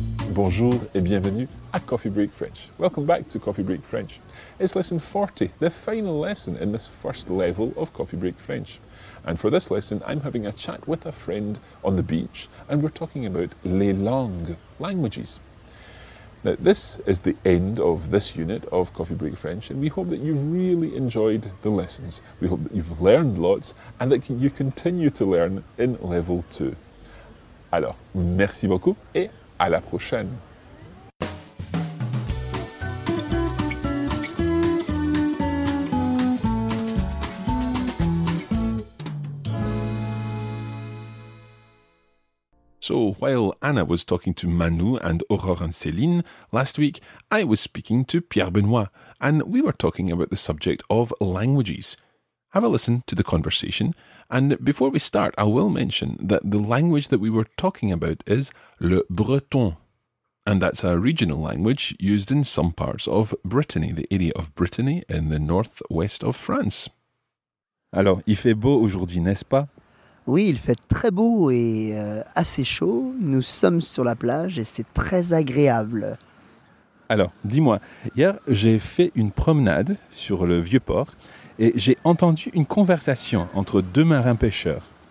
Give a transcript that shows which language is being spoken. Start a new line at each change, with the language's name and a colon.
French: Bonjour et bienvenue à Coffee Break French.
English: Welcome back to Coffee Break French. It's lesson 40, the final lesson in this first level of Coffee Break French. And for this lesson, I'm having a chat with a friend on the beach, and we're talking about
French: les langues,
English: languages. Now, this is the end of this unit of Coffee Break French, and we hope that you've really enjoyed the lessons. We hope that you've learned lots, and that you continue to learn in level 2.
French: Alors, merci beaucoup, et à la prochaine!
English: So, while Anna was talking to Manu and Aurore and Céline last week, I was speaking to Pierre Benoît, and we were talking about the subject of languages. Have a listen to the conversation, and before we start, I will mention that the language that we were talking about is Le Breton, and that's a regional language used in some parts of Brittany, the area of Brittany in the northwest of France.
French: Alors, il fait beau aujourd'hui, n'est-ce pas? Oui, il fait très beau et assez chaud. Nous sommes sur la plage et c'est très agréable. Alors, dis-moi, hier, j'ai fait une promenade sur le vieux port et j'ai entendu une conversation entre deux marins pêcheurs.